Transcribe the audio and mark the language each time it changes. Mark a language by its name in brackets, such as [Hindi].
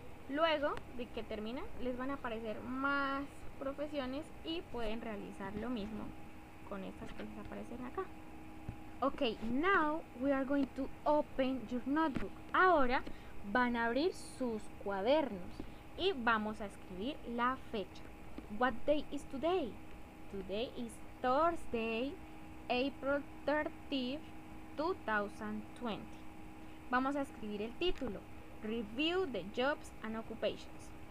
[Spanish] Luego de que termina, les van a aparecer más profesiones y pueden realizar lo mismo con estas que les aparecen acá. [English] Ok, now we are going to open your notebook. [Spanish] Ahora van a abrir sus cuadernos y vamos a escribir la fecha. [English] What day is today? Today is Thursday, April 30th. [Spanish] 2020. Vamos a escribir el título: [English] Review the Jobs and Occupations.